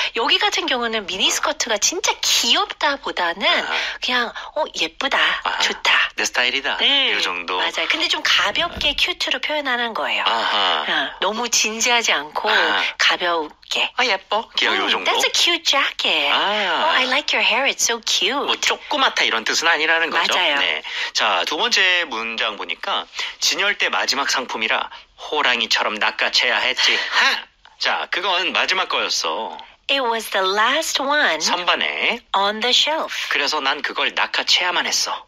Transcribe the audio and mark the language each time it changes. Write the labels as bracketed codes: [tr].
[ko] 여기 같은 경우는 미니스커트가 진짜 귀엽다 보다는 그냥 예쁘다 좋다 내 스타일이다 네. 이 정도 맞아요 근데 좀 가볍게 큐트로 표현하는 거예요 너무 진지하지 않고 가볍게 예뻐 귀여워 이 정도 [en] That's a cute jacket I like your hair it's so cute [ko] 뭐 조그맣다 이런 뜻은 아니라는 거죠 맞아요 네. 자 두 번째 문장 보니까 진열대 마지막 상품이라 호랑이처럼 낚아채야 했지. 하! 자, 그건 마지막 거였어. [en] It was the last one. [ko] 선반에. [en] On the shelf. [ko] 그래서 난 그걸 낚아채야만 했어.